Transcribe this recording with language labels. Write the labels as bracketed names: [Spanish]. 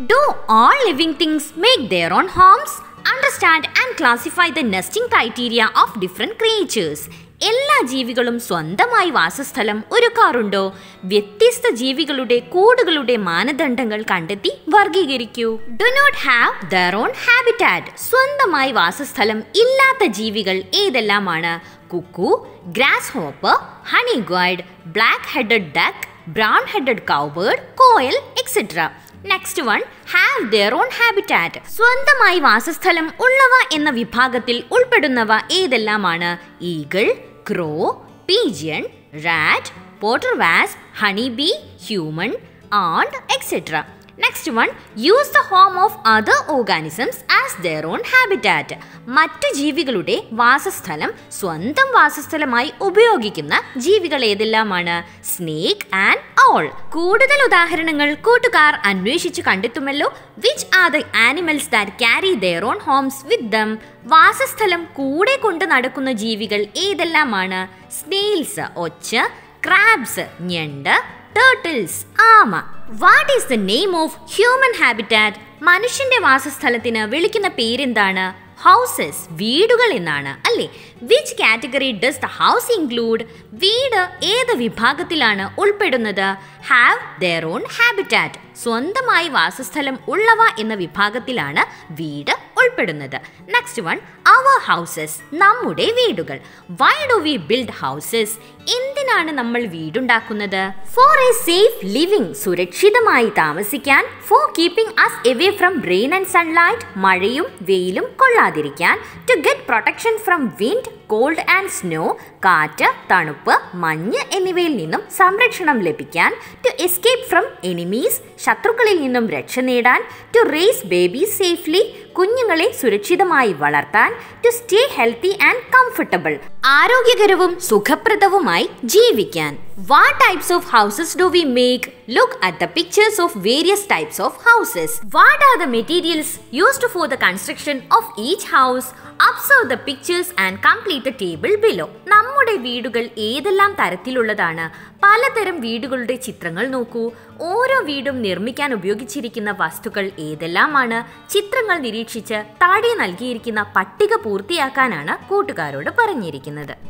[English] Do all living things make their own homes? Understand and classify the nesting criteria of different creatures. [Malayalam] എല്ലാ ജീവികളും സ്വന്തമായി വാസസ്ഥലം ഒരുക്കാറുണ്ടോ? വ്യത്യസ്ത ജീവികളുടെ കൂടുകളുടെ മാനദണ്ഡങ്ങൾ കണ്ടെത്തി വർഗീകരിക്കൂ. [English] Do not have their own habitat. [Malayalam] സ്വന്തമായി വാസസ്ഥലം ഇല്ലാത്ത ജീവികൾ ഏതെല്ലാമാണ്? [English] Cuckoo, grasshopper, honey guide, black headed duck, brown headed cowbird, koel, etcetera. Next one, have their own habitat. [Malayalam] സ്വന്തമായി വാസസ്ഥലം ഉള്ളവ എന്ന വിഭാഗത്തിൽ ഉൾപ്പെടുന്നവ ഏതെല്ലാമാണ്? [English] Eagle, crow, pigeon, rat, potter wasp, honey bee, human, and etcetera. Next one, use the home of other organisms as their own habitat. [Malayalam] മറ്റു ജീവികളുടെ വാസസ്ഥലം സ്വന്തം വാസസ്ഥലമായി ഉപയോഗിക്കുന്ന ജീവികൾ ഏതെല്ലാമാണ്? [English] Snake and owl. [Malayalam] കൂടുതൽ ഉദാഹരണങ്ങൾ കൂട്ടുകാർ അന്വേഷിച്ച് കണ്ടെത്തുമല്ലോ. [English] Which are the animals that carry their own homes with them? [Malayalam] വാസസ്ഥലം കൂടെ കൊണ്ട് നടക്കുന്ന ജീവികൾ ഏതെല്ലാമാണ്? [English] Snails, ഒച്ച, crabs, ഞണ്ട്, turtles, ആമ. What is the name of human habitat? [Malayalam] മനുഷ്യന്റെ വാസസ്ഥലത്തിന് വിളിക്കുന്ന പേരെന്താണ്? [English] houses, [Malayalam] വീടുകൾ എന്നാണ് അല്ലേ? [English] Which category does the house include? [Malayalam] വീട് ഏത് വിഭാഗത്തിലാണ് ഉൾപ്പെടുന്നത്? [English] Have their own habitat. [Malayalam] സ്വന്തമായി വാസസ്ഥലം ഉള്ളവ എന്ന വിഭാഗത്തിലാണ് വീട് ഉൾപ്പെടുന്നത്. [English] next one, our houses, [Malayalam] നമ്മുടെ വീടുകൾ. [English] Why do we build houses? [Malayalam] എന്തിനാണ് നമ്മൾ വീടുണ്ടാക്കുന്നത്? [English] for a safe living, [Malayalam] സുരക്ഷിതമായി താമസിക്കാൻ. [English] for keeping us away from rain and sunlight, [Malayalam] മഴയും വെയിലും കൊള്ളാതിരിക്കാൻ. [English] to get protection from wind, cold and snow, [Malayalam] കാറ്റ്, തണുപ്പ്, മഞ്ഞ് എന്നിവയിൽ നിന്നും സംരക്ഷണം ലഭിക്കാൻ. [English] to escape from enemies, [Malayalam] ശത്രുക്കളിൽ നിന്നും രക്ഷ നേടാൻ. [English] to raise babies safely, [Malayalam] കുഞ്ഞുങ്ങളെ സുരക്ഷിതമായി വളർത്താൻ. [English] to stay healthy and comfortable, [Malayalam] ആരോഗ്യകരവും സുഖപ്രദവുമായി ജീവിക്കാൻ. [English] What types of houses do we make? Look at the pictures of various types of houses. What are the materials used for the construction of each house? Observe the pictures and complete the table below. [Malayalam] നമ്മുടെ വീടുകൾ ഏതെല്ലാം തരത്തിലുള്ളതാണ്? പലതരം വീടുകളുടെ ചിത്രങ്ങൾ നോക്കൂ. ഓരോ വീടും നിർമ്മിക്കാൻ ഉപയോഗിച്ചിരിക്കുന്ന വസ്തുക്കൾ ഏതെല്ലാമാണ്? ചിത്രങ്ങൾ നിരീക്ഷിച്ച് താഴെ നൽകിയിരിക്കുന്ന പട്ടിക പൂർത്തിയാക്കാനാണ് കൂട്ടുകാരോട് പറഞ്ഞിരിക്കുന്നത്.